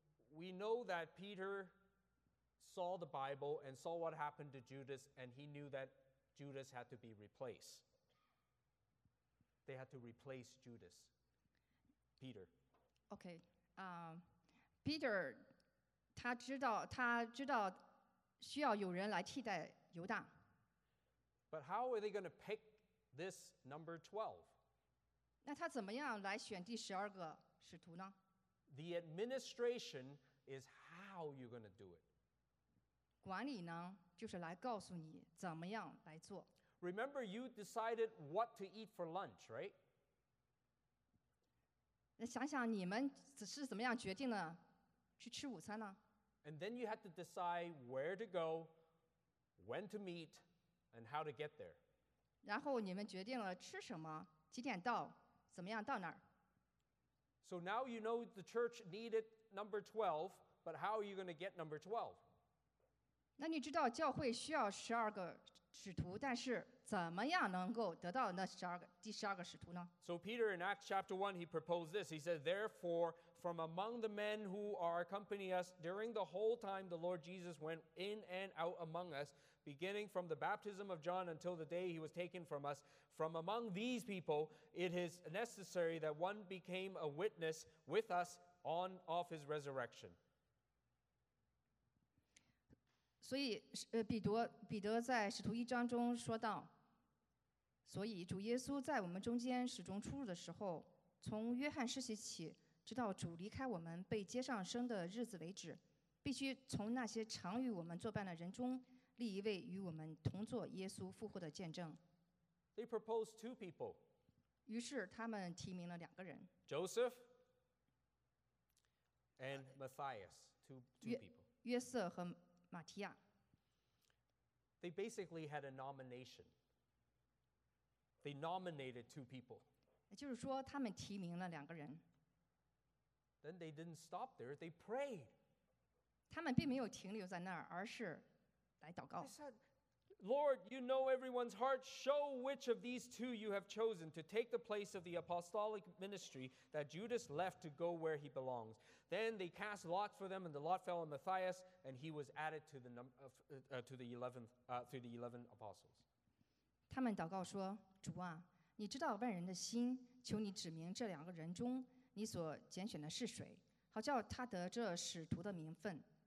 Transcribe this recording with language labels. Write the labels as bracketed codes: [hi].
[en] We know that Peter saw the Bible and saw what happened to Judas, and he knew that Judas had to be replaced. They had to replace Judas. Peter. [zh] Okay. Peter, 他知道需要有人来替代犹大。 [en] But how are they going to pick this number 12? [zh] 那他怎么样来选第十二个使徒呢 [en] ？The administration is how you're going to do it. [zh] 管理呢，就是来告诉你怎么样来做。 [en] Remember, you decided what to eat for lunch, right? [zh] 那想想你们是怎么样决定了去吃午餐呢 [en] ？And then you had to decide where to go, when to meet, and how to get there. [zh] 然后你们决定了吃什么，几点到。 [en] So now you know the church needed number 12, but how are you going to get number 12? [zh] 那你知道教会需要十二个使徒，但是怎么样能够得到那十二个第十二个使徒呢 [en] ？So Peter in Acts chapter 1, he proposed this. He said, "Therefore, from among the men who are accompanying us during the whole time the Lord Jesus went in and out among us, beginning from the baptism of John until the day he was taken from us, from among these people, it is necessary that one became a witness with us on of his resurrection." [zh] 所以，彼得在使徒一章中说道。所以主耶稣在我们中间始终出入的时候，从约翰施洗起，直到主离开我们被接上升的日子为止，必须从那些常与我们作伴的人中立一位与我们同作耶稣复活的见证。 [en] They proposed two people. [zh] 于是他们提名了两个人。 [en] Joseph and Matthias, two people. [zh] 约瑟和马提亚。 [en] They basically had a nomination. They nominated two people. [zh] 也就是说，他们提名了两个人。 [en] Then they didn't stop there. They prayed. [zh] 他们并没有停留在那儿，而是来祷告。 [en] They said, "Lord, you know everyone's heart. Show which of these two you have chosen to take the place of the apostolic ministry that Judas left to go where he belongs." Then they cast lots for them, and the lot fell on Matthias, and he was added to the eleven apostles. [zh] 他们祷告说：“主啊，你知道万人的心，求你指明这两个人中你所拣选的是谁，好叫他得这使徒的名分。